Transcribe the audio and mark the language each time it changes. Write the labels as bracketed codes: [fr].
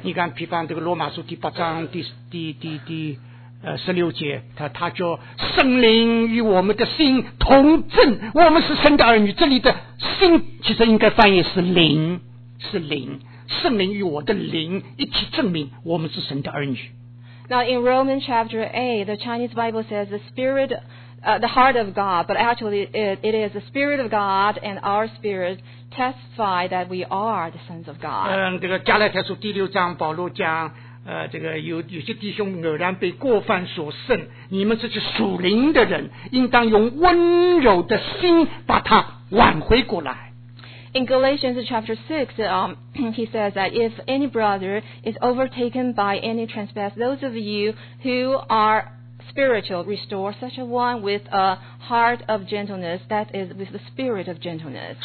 [zh] 你看，比方这个罗马书第八章第十六节，他叫圣灵与我们的心同证，我们是神的儿女。这里的心其实应该翻译是灵，是灵，圣灵与我的灵一起证明我们是神的儿女。 [en] Now in Romans chapter 8, the Chinese Bible says the spirit, the heart of God, but actually it is the spirit of God and our spirit testify that we are the sons of God. [zh] 这个加拉太书第六章保罗讲。这个有些弟兄偶然被过犯所胜，你们这些属灵的人应当用温柔的心把它挽回过来。 [en] In Galatians chapter 6, he says that if any brother is overtaken by any trespass, those of you who are spiritual, restore such a one with a heart of gentleness, that is with the spirit of gentleness.